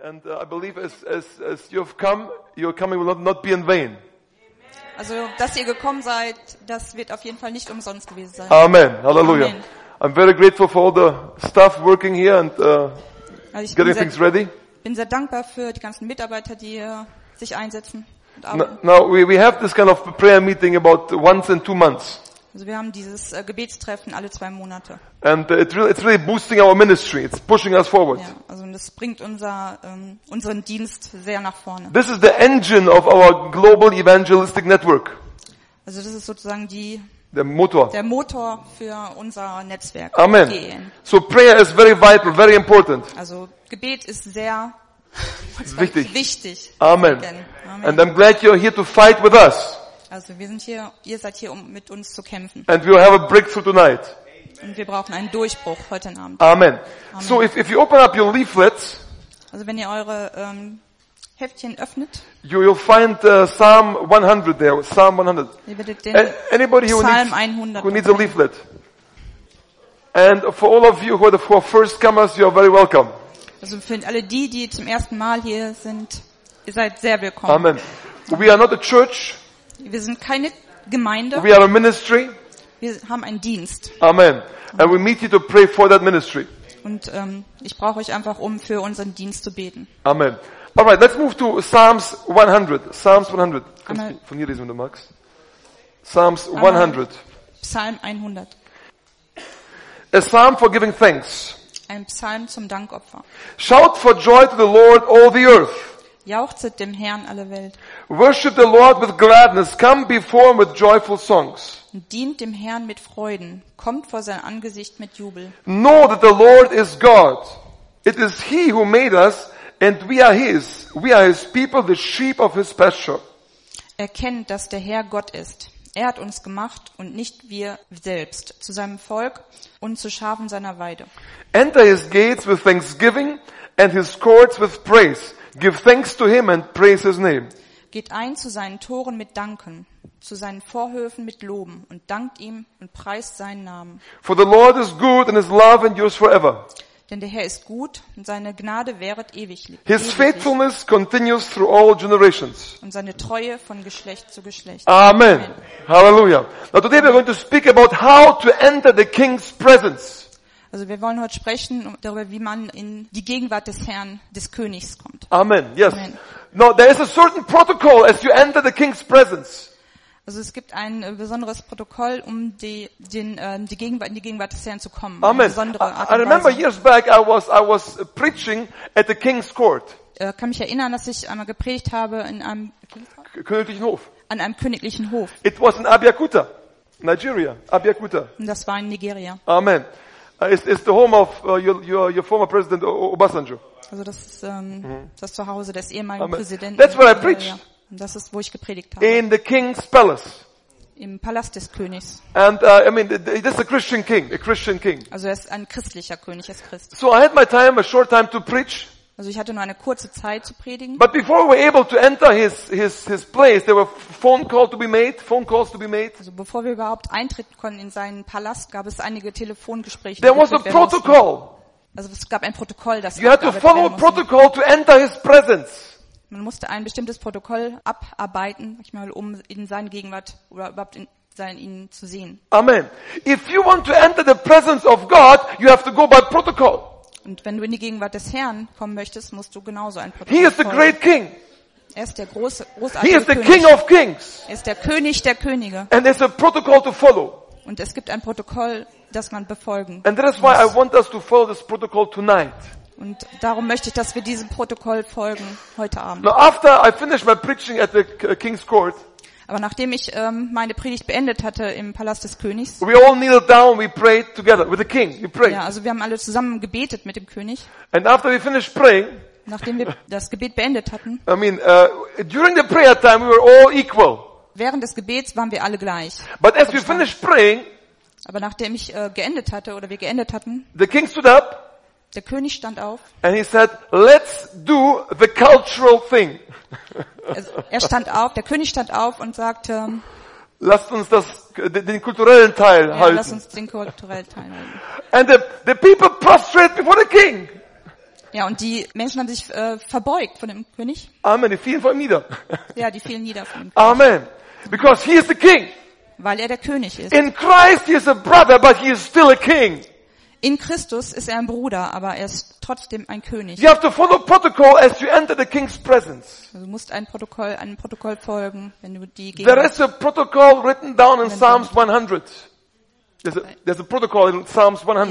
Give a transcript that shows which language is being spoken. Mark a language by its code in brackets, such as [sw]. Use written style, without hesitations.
[en] And I believe as you've come, your coming will not be in vain. [de] Also, dass ihr gekommen seid, das wird auf jeden Fall nicht umsonst gewesen sein. Amen. Hallelujah. Amen. [en] I'm very grateful for all the staff working here and getting things ready. [de] Ich bin sehr dankbar für die ganzen Mitarbeiter, die sich einsetzen. [en] Now we have this kind of prayer meeting about once in 2 months. [de] Also wir haben dieses Gebetstreffen alle 2 Monate. [en] And it's really boosting our ministry. It's pushing us forward. [de] Ja, also das bringt unseren Dienst sehr nach vorne. [en] This is the engine of our global evangelistic network. [de] Also das ist sozusagen der Motor für unser Netzwerk. Amen. [en] So prayer is very vital, very important. [de] Also Gebet ist sehr wichtig. Amen. [en] And I'm glad you're here to fight with us. [de] Also wir sind hier, ihr seid hier, um mit uns zu kämpfen. [en] And we'll have a breakthrough tonight. [de] Und wir brauchen einen Durchbruch heute Abend. Amen. [en] So if you open up your leaflets, [de] also wenn ihr eure Heftchen öffnet, [en] you'll find Psalm 100 there. Psalm 100. [de] Ihr werdet den [en] anybody who Psalm 100 who needs a leaflet. And for all of you who are the first comers, you are very welcome. [de] Also für alle die zum ersten Mal hier sind, ihr seid sehr willkommen. [en] Amen. We are not a church. [de] Wir sind keine Gemeinde. [en] We are a ministry. [de] Wir haben einen Dienst. Amen. [en] And we meet you to pray for that ministry. [de] Und ich brauche euch einfach, um für unseren Dienst zu beten. Amen. [en] All right, let's move to Psalms 100. Psalms 100. [de] Kannst du von hier lesen, wenn du magst? [en] Psalms 100. [de] Psalm 100. [en] A psalm for giving thanks. [de] Ein Psalm zum Dankopfer. [en] Shout for joy to the Lord, all the earth. [de] Jauchzet dem Herrn alle Welt. [en] Worship the Lord with gladness. Come before him with joyful songs. [de] Dient dem Herrn mit Freuden. Kommt vor sein Angesicht mit Jubel. [en] Know that the Lord is God. It is he who made us and we are his. We are his people, the sheep of his pasture. [de] Erkennt, dass der Herr Gott ist. Er hat uns gemacht und nicht wir selbst, zu seinem Volk und zu Schafen seiner Weide. [en] Enter his gates with thanksgiving and his courts with praise. Give thanks to him and praise his name. [de] Geht ein zu seinen Toren mit Danken, zu seinen Vorhöfen mit Loben und dankt ihm und preist seinen Namen. [en] For the Lord is good and his love endures forever. [de] Denn der Herr ist gut und seine Gnade währet ewiglich. [en] His faithfulness continues through all generations. [de] Und seine Treue von Geschlecht zu Geschlecht. Amen. Hallelujah. [en] Now today we're going to speak about how to enter the King's presence. [de] Also wir wollen heute sprechen darüber, wie man in die Gegenwart des Herrn, des Königs kommt. Amen. Yes. Amen. [en] Now there is a certain protocol as you enter the King's presence. [de] Also es gibt ein besonderes Protokoll, um in die Gegenwart des Herrn zu kommen. [en] Amen. [de] Eine besondere Art und Weise. [en] I remember years back I was preaching at the King's court. [de] Kann mich erinnern, dass ich einmal gepredigt habe in einem königlichen Hof. An einem königlichen Hof. [en] It was in Abeokuta, Nigeria. Abeokuta. [de] Und das war in Nigeria. Amen. [en] It's the home of your former president Obasanjo. [de] Also das ist das Zuhause des ehemaligen Amen. Präsidenten. [en] That's where I preached. [de] Und das ist, wo ich gepredigt habe. [en] In the King's palace. [de] Im Palast des Königs. [en] And I mean, this is a Christian king. [de] Also er ist ein christlicher König, er ist Christ. [en] So I had my time, a short time to preach. [de] Also ich hatte nur eine kurze Zeit zu predigen. [en] But before we were able to enter his place, there were phone calls to be made. [de] Also bevor wir überhaupt eintreten konnten in seinen Palast, gab es einige Telefongespräche. [en] There was a protocol. [de] Also es gab ein Protokoll, das [en] you had to follow a protocol to enter his presence. [de] Man musste ein bestimmtes Protokoll abarbeiten, ich meine, um in seine Gegenwart oder überhaupt in sein ihn zu sehen. Amen. [en] If you want to enter the presence of God, you have to go by protocol. [de] Und wenn du in die Gegenwart des Herrn kommen möchtest, musst du genauso ein Protokoll. [en] He is the great king. [de] Er ist der große, großartige [en] König. He is the [de] König. [en] King of kings. [de] Er ist der König der Könige. [en] And there's a protocol to follow. [de] Und es gibt ein Protokoll, das man befolgen [en] muss. And that is why I want us to follow this protocol tonight. [de] Und darum möchte ich, dass wir diesem Protokoll folgen heute Abend. [en] Now after I finished my preaching at the King's court. [de] Aber nachdem ich meine Predigt beendet hatte im Palast des Königs. [en] We all kneeled down, we prayed together with the king. We prayed. [de] Ja, also wir haben alle zusammen gebetet mit dem König. [en] And after we finished praying. [de] Nachdem wir das Gebet beendet hatten. [en] I mean, during the prayer time we were all equal. [de] Während des Gebets waren wir alle gleich. [en] But as we finished praying. [de] Aber nachdem ich geendet hatte oder wir geendet hatten. [en] The king stood up. [de] Der König stand auf. [en] And he said, "Let's do the cultural thing." [de] Er stand auf, der König stand auf und sagte, "Lasst uns das den kulturellen Teil ja, halten." Lasst uns den kulturellen Teil halten. [en] And the people prostrate before the king. [de] Ja, und die Menschen haben sich verbeugt von dem König. Amen, die fielen vor ihm nieder. Ja, die fielen nieder von ihm. [en] Amen. Because he is the king. [de] Weil er der König ist. [en] In Christ he is a brother, but he is still a king. [de] In Christus ist er ein Bruder, aber er ist trotzdem ein König. [en] You have to follow protocol as you enter the king's presence. [de] Du musst einem Protokoll folgen, wenn du die Gegenwart. [en] There is a protocol written down in Psalms 100. There's a protocol in Psalms 100.